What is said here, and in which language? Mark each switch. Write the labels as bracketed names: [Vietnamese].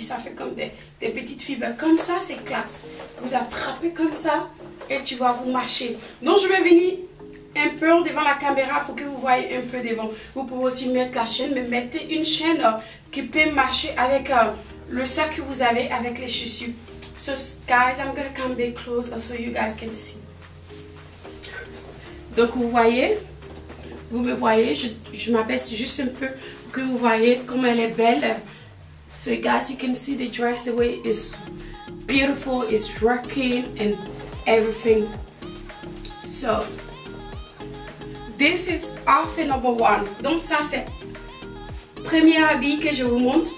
[French] Ça fait comme des petites fibres. Comme ça, c'est classe. Vous attrapez comme ça et tu vois, vous marchez. Donc, je vais venir un peu devant la caméra pour que vous voyez un peu devant. Vous pouvez aussi mettre la chaîne, mais mettez une chaîne qui peut marcher avec le sac que vous avez avec les chaussures. [English] So, guys, I'm going to come back close so you guys can see. [French] Donc, vous voyez, vous me voyez, je m'abaisse juste un peu pour que vous voyez comme elle est belle. [English] So, guys, you can see the dress, the way it's beautiful, it's working and everything. So, this is outfit number one. [French] Donc, ça, c'est premier habit que je vous montre.